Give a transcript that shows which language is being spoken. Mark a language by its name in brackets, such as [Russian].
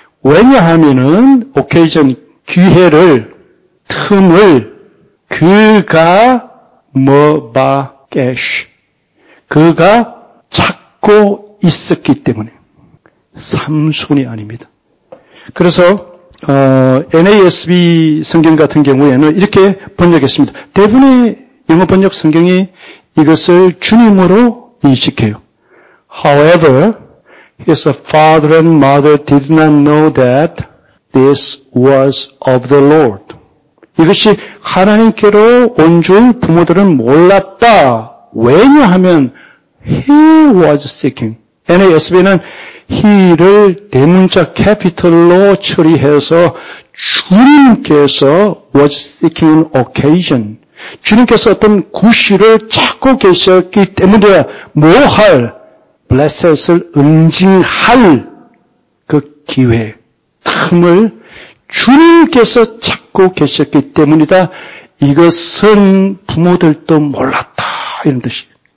[Korean] 왜냐하면은 occasion 기회를 틈을 그가 뭐바게쉬 그가 찾고 있었기 때문에 삼손이 아닙니다. 그래서 NASB 성경 같은 경우에는 이렇게 번역했습니다. 대부분의 영어 번역 성경이 이것을 주님으로 인식해요. [English] However, his father and mother did not know that this was of the Lord. [Korean] 이것이 하나님께로 온 줄 부모들은 몰랐다. 왜냐하면 [English] he was seeking. [Korean] NASB는 he를 대문자 capital로 처리해서 주님께서 [English] was seeking an occasion. [Korean] 주님께서 어떤 구실을 찾고 계셨기 때문에 뭐 할, blessed을 응징할 그 기회, 틈을 주님께서 찾고 계셨기 때문이다. 이것은 부모들도 몰랐다. 이런 뜻이에요.